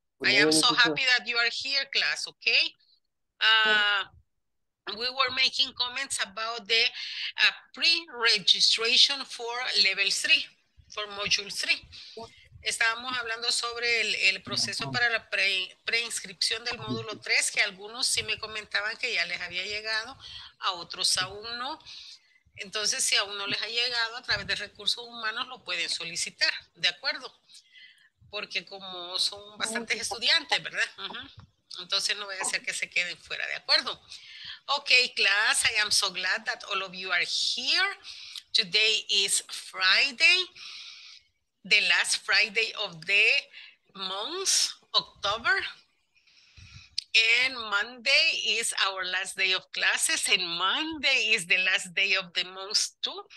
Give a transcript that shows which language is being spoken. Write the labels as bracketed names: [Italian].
[English] I am so happy that you are here, class, okay? We were making comments about the pre-registration for level 3, for module 3. [Spanish] Estábamos hablando sobre el proceso para la preinscripción del módulo 3, que algunos sí me comentaban que ya les había llegado, a otros aún no. Entonces, si aún no les ha llegado, a través de recursos humanos lo pueden solicitar, ¿de acuerdo? Porque como son bastantes estudiantes, ¿verdad? Entonces no voy a hacer que se queden fuera, ¿de acuerdo? [English] Ok, class, I am so glad that all of you are here. Today is Friday, the last Friday of the month, October. And Monday is our last day of classes. And Monday is the last day of the month too.